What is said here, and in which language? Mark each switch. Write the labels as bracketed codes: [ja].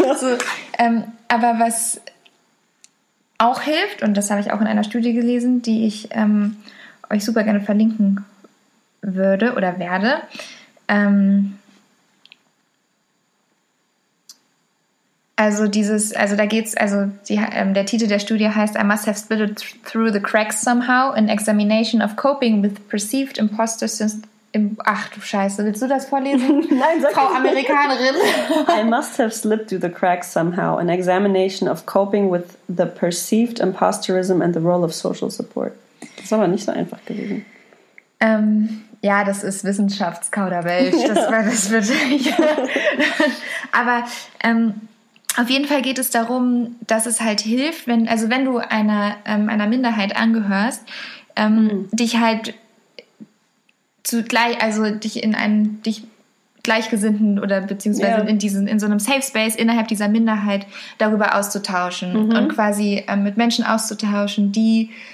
[de] Also, aber was auch hilft, und das habe ich auch in einer Studie gelesen, die ich euch super gerne verlinken würde oder werde, also dieses, also da geht's, also die, der Titel der Studie heißt [en] I must have split through the cracks somehow, an examination of coping with perceived imposter syndrome. [de] Ach du Scheiße, willst du das vorlesen? Nein, sag Frau Amerikanerin. [en] I must have slipped through the cracks somehow, an examination of coping with the perceived imposterism and the role of social support. [de] Das ist aber nicht so einfach gewesen. Ja, das ist Wissenschaftskauderwelsch. Das war das wirklich. Aber auf jeden Fall geht es darum, dass es halt hilft, wenn, also wenn du einer, einer Minderheit angehörst, dich halt zu gleich, also dich in einen, dich Gleichgesinnten oder beziehungsweise in diesen, in so einem Safe Space innerhalb dieser Minderheit darüber auszutauschen und quasi mit Menschen auszutauschen, die